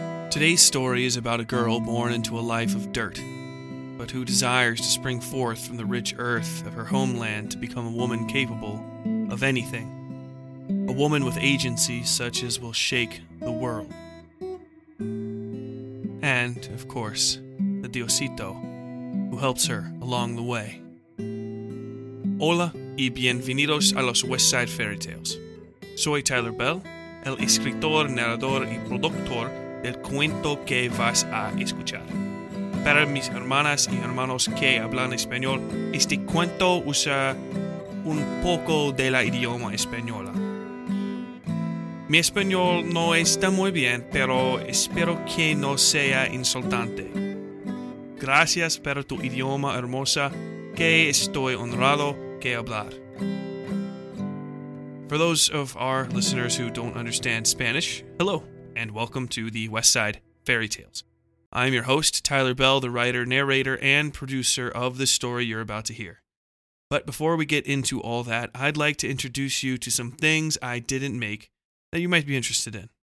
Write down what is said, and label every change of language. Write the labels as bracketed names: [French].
[English] Today's story is about a girl born into a life of dirt, but who desires to spring forth from the rich earth of her homeland to become a woman capable of anything. A woman with agency such as will shake the world. And, of course, the Diosito, who helps her along the way. [Spanish] Hola y bienvenidos a los West Side Fairy Tales. Soy Tyler Bell, el escritor, narrador y productor del cuento que vas a escuchar. Para mis hermanas y hermanos que hablan español, este cuento usa un poco de la idioma española. Mi español no está muy bien, pero espero que no sea insultante. Gracias por tu idioma hermosa, que estoy honrado. [English] For those of our listeners who don't understand Spanish, hello, and welcome to the West Side Fairy Tales. I'm your host, Tyler Bell, the writer, narrator, and producer of the story you're about to hear. But before we get into all that, I'd like to introduce you to some things I didn't make that you might be interested in.